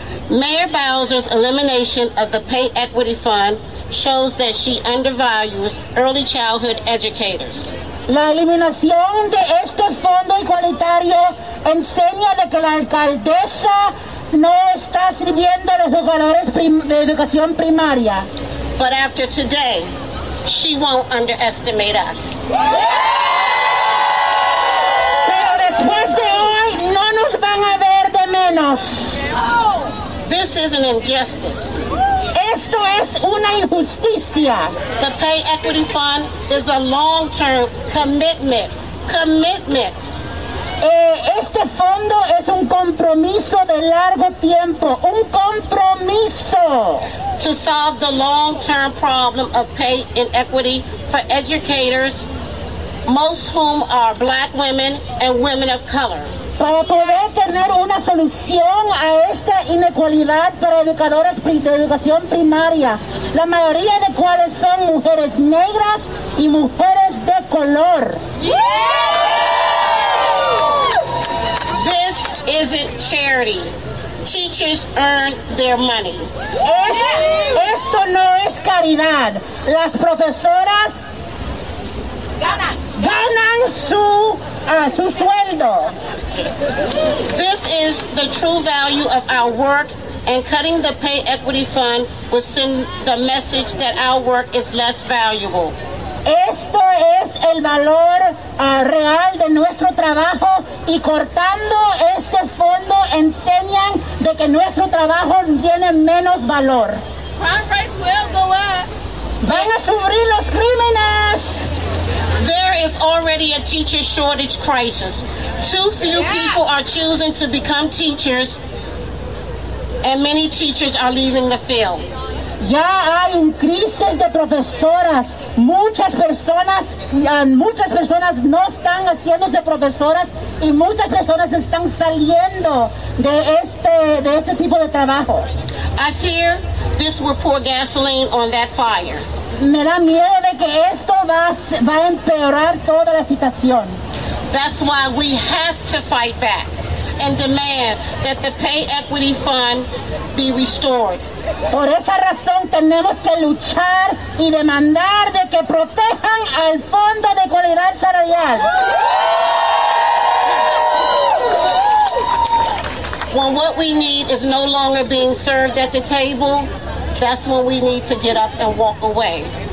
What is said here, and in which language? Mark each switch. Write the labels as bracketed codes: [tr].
[en] Mayor Bowser's elimination of the pay equity fund shows that she undervalues early childhood educators. [es] La eliminación de este fondo igualitario enseña de que la alcaldesa no está sirviendo a los educadores de educación primaria. [en] But after today, she won't underestimate us. [es] Pero después de hoy, no nos van a ver de menos. [en] This is an injustice. [es] Esto es una injusticia. [en] The pay equity fund is a long-term commitment. Commitment. [es] Este fondo es un compromiso de largo tiempo. Un compromiso. [en] To solve the long-term problem of pay inequity for educators, most whom are black women and women of color. [es] Para poder tener una solución a esta inequalidad para educadores de educación primaria, la mayoría de cuales son mujeres negras y mujeres de color. [en] This isn't charity. Teachers earn their money. [es] Esto no es caridad. Las profesoras ganan su sueldo. [en] This is the true value of our work and cutting the pay equity fund would send the message that our work is less valuable. [es] Esto es el valor real de nuestro trabajo, y cortando este fondo enseñan de que nuestro trabajo tiene menos valor. [en] Crime rates will go up. [es] Van a subir los crímenes. [en] There is already a teacher shortage crisis. Too few people are choosing to become teachers, and many teachers are leaving the field. [es] Ya hay un crisis de profesoras. Muchas personas no están haciendo de profesoras, y muchas personas están saliendo de este tipo de trabajo. [en] I fear this will pour gasoline on that fire. [es] Me da miedo de que esto va a empeorar toda la situación. [en] That's why we have to fight back and demand that the pay equity fund be restored. [es] Por esa razón tenemos que luchar y demandar de que protejan al fondo de igualdad salarial. [en] When what we need is no longer being served at the table, that's when we need to get up and walk away.